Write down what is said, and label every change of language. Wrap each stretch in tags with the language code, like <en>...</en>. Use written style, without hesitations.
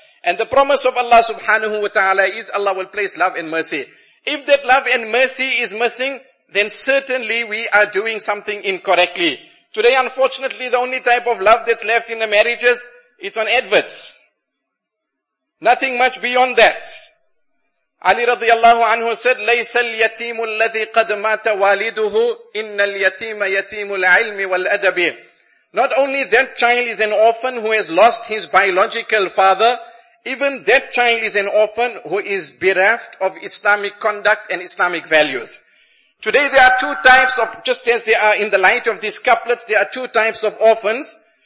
<en>And the promise of Allah subhanahu wa ta'ala is Allah will place love and mercy. If that love and mercy is missing, then certainly we are doing something incorrectly. Today, unfortunately, the only type of love that's left in the marriages, it's on adverts. Nothing much beyond that. Ali radiallahu anhu said,</en> <ar>لَيْسَ الْيَتِيمُ الَّذِي قَدْ مَاتَ وَالِدُهُ إِنَّ الْيَتِيمَ يَتِيمُ الْعِلْمِ وَالْأَدَبِ.</ar> <en>Not only that child is an orphan who has lost his biological father, even that child is an orphan who is bereft of Islamic conduct and Islamic values. Today there are two types of, just as they are in the light of these couplets, there are two types of orphans.</en>